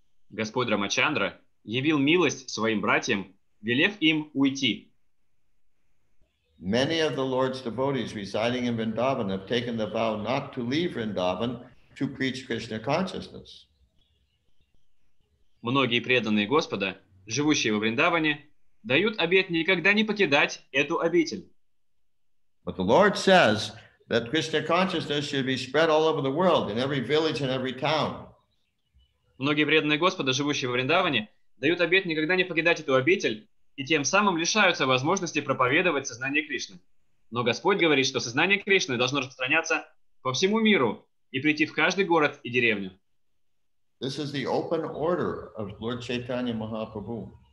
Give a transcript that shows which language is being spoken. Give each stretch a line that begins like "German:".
Russian: Господь Рамачандра явил милость своим братьям, велев им уйти.
English: Many of the Lord's devotees residing in Vrindavan have taken the vow not to leave Vrindavan to preach Krishna consciousness.
Russian: Многие преданные Господа, живущие во Вриндаване, дают обет никогда не покидать эту обитель.
English: But the Lord says that Krishna consciousness should be spread all over the world, in every village and every town.
Russian: Многие преданные Господа, живущие во Вриндаване, дают обет никогда не покидать эту обитель и тем самым лишаются возможности проповедовать сознание Кришны. Но Господь говорит, что сознание Кришны должно распространяться по всему миру и прийти в каждый город и деревню.
English: This is the open order of Lord Chaitanya Mahaprabhu.